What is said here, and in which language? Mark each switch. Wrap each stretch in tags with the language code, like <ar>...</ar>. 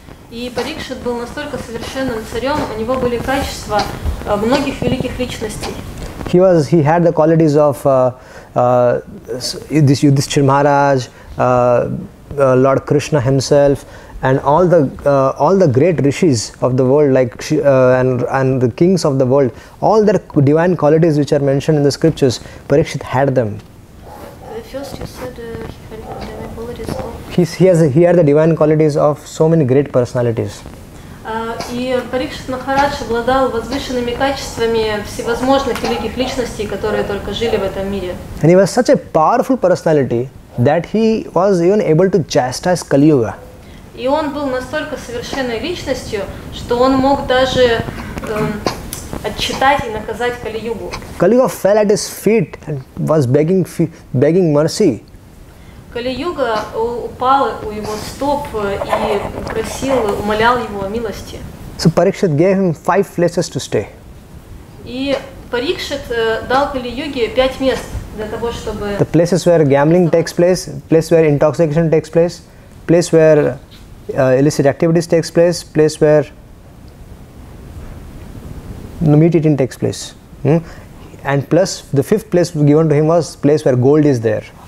<ru>И Парикшит был настолько совершенным царем, у него были качества многих великих личностей.</ru> <en>He had the qualities of this Yudhishthira Maharaj, Lord Krishna himself, and all the great rishis of the world, like and the kings of the world, all their divine qualities which are mentioned in the scriptures, Parikshit had them. First, you said He has the divine qualities of so many great personalities.</en> <ru>И Парикшит Махарадж обладал возвышенными качествами всевозможных великих личностей, которые только жили в этом мире.</ru> <en>And he was such a powerful personality that he was even able to chastise Kali Yuga.</en> <ru>И он был настолько совершенной личностью, что он мог даже отчитать и наказать Кали Югу.</ru> <en>Kali Yuga fell at his feet and was begging mercy.</en> <ru>Кали Юга упал у его стоп и просил, умолял его о милости.</ru> <en>So Parikshit gave him 5 places to stay.</en> <ru>И Парикшит дал Кали Юге 5 мест для того, чтобы.</ru> <en>The places where gambling takes place, place where intoxication takes place, place where illicit activities takes place, place where meat eating takes place. And plus the 5th place given to him was place where gold is there.</en>